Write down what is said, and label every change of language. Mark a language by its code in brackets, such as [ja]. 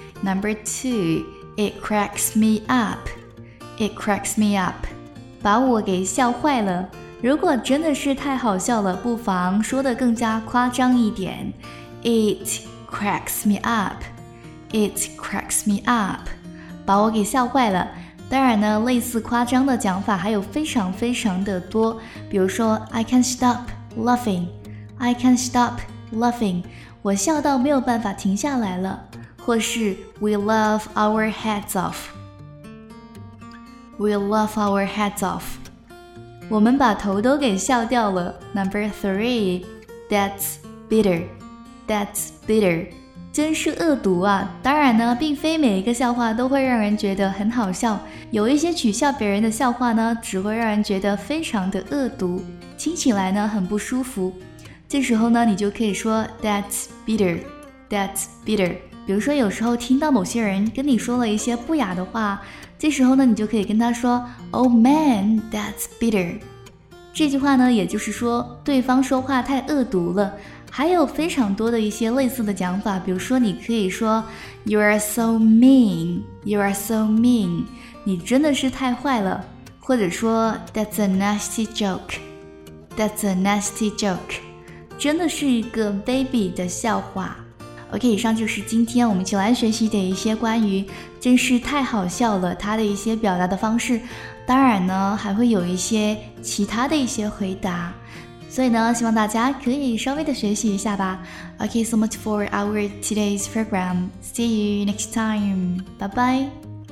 [en] Number two, it cracks me up. It cracks me up. [zh] 把我给笑坏了。如果真的是太好笑了，不妨说得更加夸张一点。 [en] It cracks me up. It cracks me up. [zh] 把我给笑坏了。当然呢类似夸张的讲法还有非常非常的多，比如说 [en] I can't stop laughing. I can't stop laughing. [zh] 我笑到没有办法停下来了。或是 [en] We laugh our heads off. We laugh our heads off. [zh] 我们把头都给笑掉了。 [en] Number three, that's bitter. That's bitter. [zh] 真是恶毒啊。当然呢并非每一个笑话都会让人觉得很好笑，有一些取笑别人的笑话呢只会让人觉得非常的恶毒，听起来呢很不舒服。这时候呢你就可以说 [en] That's bitter. That's bitter. [zh] 比如说有时候听到某些人跟你说了一些不雅的话，这时候呢你就可以跟他说 [en] Oh man, that's bitter. [zh] 这句话呢也就是说对方说话太恶毒了。还有非常多的一些类似的讲法，比如说你可以说 [en] You are so mean. You are so mean. [zh] 你真的是太坏了。或者说 [en] That's a nasty joke. That's a nasty joke. [zh] 真的是一个卑鄙的笑话。OK, 以上就是今天我们一起来学习的一些关于真是太好笑了它的一些表达的方式。当然呢还会有一些其他的一些回答，所以呢希望大家可以稍微的学习一下吧。 [en] OK, so much for our today's program. See you next time. Bye bye.